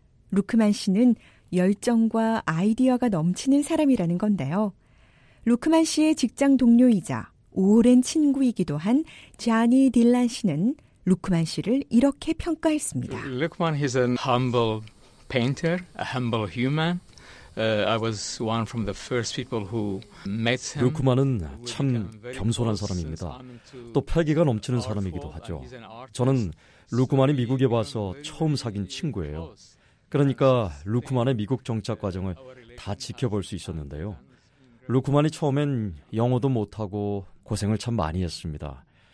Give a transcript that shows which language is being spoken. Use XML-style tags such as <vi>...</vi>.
<ko>루크만 씨는 열정과 아이디어가 넘치는 사람이라는 건데요. 루크만 씨의 직장 동료이자 오랜 친구이기도 한 자니 딜란 씨는 루크만 씨를 이렇게 평가했습니다.</ko> <en>Lukman is a humble painter, a humble human. I was one from the first people who met him.</en> <ko>루크만은 참 겸손한 사람입니다. 또 패기가 넘치는 사람이기도 하죠. 저는 루크만이 미국에 와서 처음 사귄 친구예요. 그러니까 루크만의 미국 정착 과정을 다 지켜볼 수 있었는데요. 루크만이 처음엔 영어도 못하고 고생을 참 많이 했습니다.</ko>